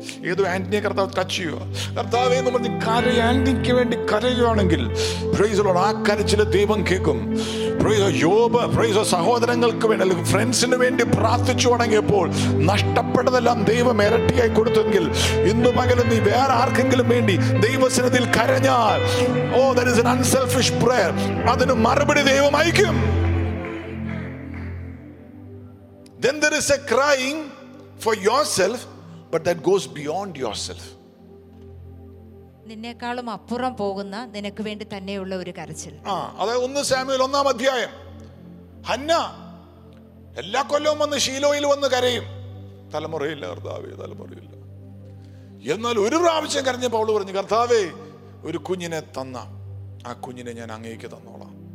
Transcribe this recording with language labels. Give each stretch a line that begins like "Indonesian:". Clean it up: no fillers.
Malayalam: ഏതോ ആന്റണിയെ കർത്താവ് ടച്ച് ചെയ്യുക കർത്താവേ എന്ന് പറഞ്ഞ് ആന്റണിക്ക് വേണ്ടി കരയുകയാണെങ്കിൽ,
English: praise the Lord,
Malayalam: ആ കരച്ചില് ദൈവം കേൾക്കും.
English: Praise the യോബ്.
Malayalam: പ്രൈസ് ദി സഹോദരങ്ങൾക്ക് വേണ്ടി, അല്ലെങ്കിൽ ഫ്രണ്ട്സിന് വേണ്ടി പ്രാർത്ഥിച്ചു തുടങ്ങിയപ്പോൾ നഷ്ടപ്പെട്ടതെല്ലാം ദൈവം ഇരട്ടിയായി കൊടുത്തെങ്കിൽ, ഇന്ന് പകലും നീ വേറെ ആർക്കെങ്കിലും വേണ്ടി ദൈവസന്നിധിയിൽ കരഞ്ഞാൽ, ഓ,
English: That is an unselfish prayer.
Malayalam: അതിന് മറുപടി ദൈവം അയക്കും.
English: Then there is a crying for yourself, but that goes beyond yourself.
Malayalam: നിന്നേക്കാളും അപ്പുറം പോകുന്ന നിനക്ക് വേണ്ടി തന്നെയുള്ള ഒരു കരച്ചിൽ. അതായത് 1 സാമുവേൽ 1 അധ്യായം, ഹന്ന എല്ലാ കൊല്ലവും വന്ന് ഷീലോയിൽ വന്ന് കരയും, തലമുറയില്ല കർത്താവേ, തലമുറയില്ല. എന്നാൽ ഒരു പ്രാവശ്യം കരഞ്ഞ പൗള് പറഞ്ഞു, കർത്താവേ, ഒരു കുഞ്ഞിനെ തന്ന, ആ കുഞ്ഞിനെ ഞാൻ അങ്ങേക്ക് തന്നോളാം.